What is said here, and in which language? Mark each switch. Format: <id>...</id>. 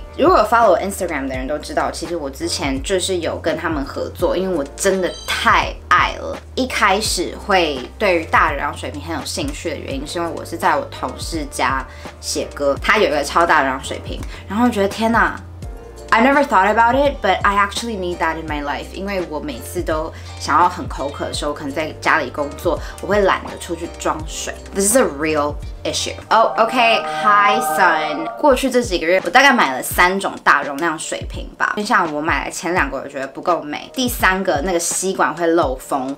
<zh>如果 follow Instagram 的人都知道，其实我之前就是有跟他们合作，因为我真的太爱了。一开始会对于大容量水瓶很有兴趣的原因，是因为我是在我同事家写歌，他有一个超大容量水瓶，然后觉得天哪。</zh> <en>I never thought about it, but I actually need that in my life.</en> <zh>因为我每次都想要很口渴的时候，可能在家里工作，我会懒得出去装水。</zh> <en>This is a real issue. Oh, okay. Hi, son.</en> <zh>过去这几个月，我大概买了3种大容量水瓶吧。就像我买了前2个，我觉得不够美，第三个那个吸管会漏风。</zh>